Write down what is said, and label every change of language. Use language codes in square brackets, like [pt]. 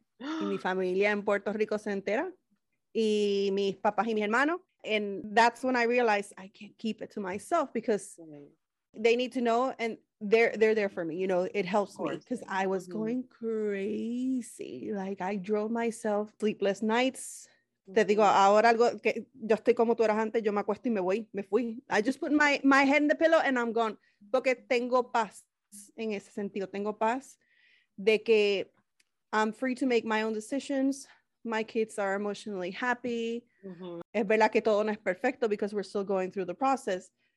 [es] Y mi familia en Puerto Rico se entera y mis papás y mi hermano. [en] And that's when I realized I can't keep it to myself because they need to know and they're there for me. You know, it helps me because I was mm-hmm. going crazy. Like I drove myself sleepless nights. [es] Te digo, ahora algo que yo estoy como tú eras antes, yo me acuesto y me fui. [en] I just put my head in the pillow and I'm gone. [es] Porque tengo paz en ese sentido. Tengo paz de que I'm free to make my own decisions. [en] My kids are emotionally happy. Mm-hmm. Es verdad que todo no es perfecto because we're still going through the process.